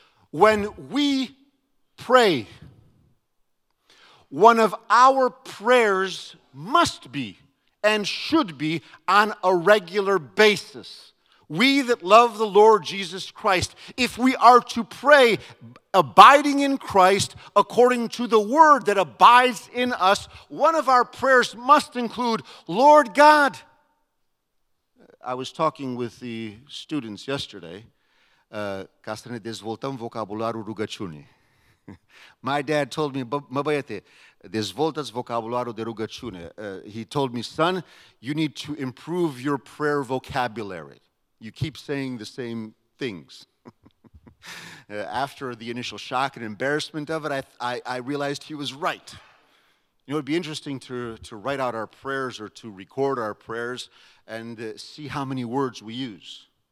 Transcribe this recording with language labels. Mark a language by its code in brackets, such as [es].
[en] When we pray, one of our prayers must be and should be on a regular basis. We that love the Lord Jesus Christ, if we are to pray abiding in Christ according to the word that abides in us, one of our prayers must include, Lord God. I was talking with the students yesterday. [ro] Ca să ne dezvoltăm vocabularul rugăciunii. [en] My dad told me, [ro] mă băiete, dezvoltă-ți vocabularul de rugăciune. [en] He told me, son, you need to improve your prayer vocabulary. You keep saying the same things. After the initial shock and embarrassment of it, I realized he was right. You know, it would be interesting to write out our prayers or to record our prayers and see how many words we use.